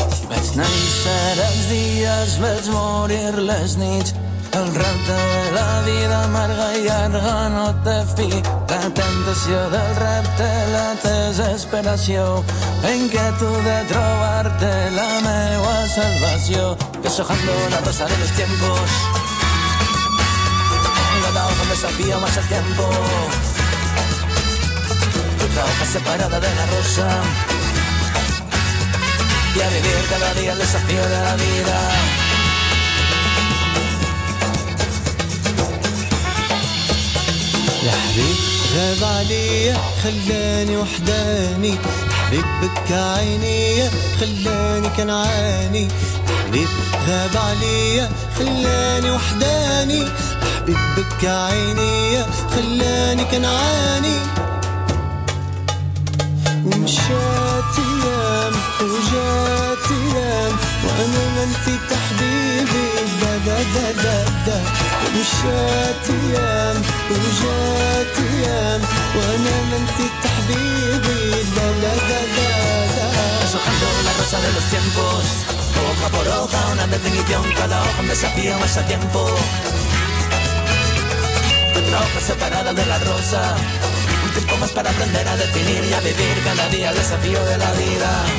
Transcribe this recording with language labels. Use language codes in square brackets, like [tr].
[ca] Vaig néixer els dies, vaig morir les nits. El repte de la vida amarga i llarga no té fi. La temptació del repte, la desesperació, la inquietud de trobar-te, la meua salvació. [es] Deshojando la rosa de los tiempos, cada hoja me sabía más el tiempo. Otra hoja separada de la rosa, y a vivir cada día el desafío de la vida. [ar] يا حبيب غاب عليا خلاني وحداني، حبيبك عينيا خلاني كنعاني. حبيب غاب عليا خلاني وحداني، حبيبك عينيا خلاني كنعاني. ومشات ايام وجات ايام وانا ما نسيت حبيبي. لا لا لا لا لا مشات ايام وجات ايام وانا ما نسيت حبيبي. لا لا لا لا لا سحبوا الرسا [es] de los tiempos hoja por hoja una definición cada hoja me sabía más a tiempo otra hoja separada de la rosa. Un tiempo más para aprender a definir y a vivir cada día el desafío de la vida.